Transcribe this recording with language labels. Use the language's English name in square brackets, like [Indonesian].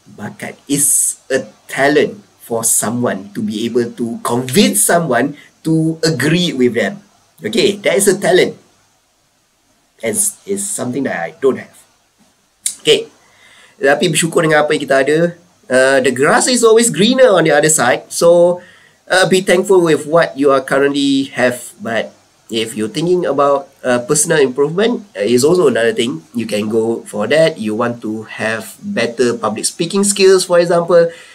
[English] Bakat is a talent for someone to be able to convince someone to agree with them. Okay, that is a talent. And it's something that I don't have. Okay. [Malay] Tapi bersyukur dengan apa yang kita ada. [English] The grass is always greener on the other side. So, be thankful with what you are currently have. But if you're thinking about personal improvement, is also another thing. You can go for that. You want to have better public speaking skills, for example.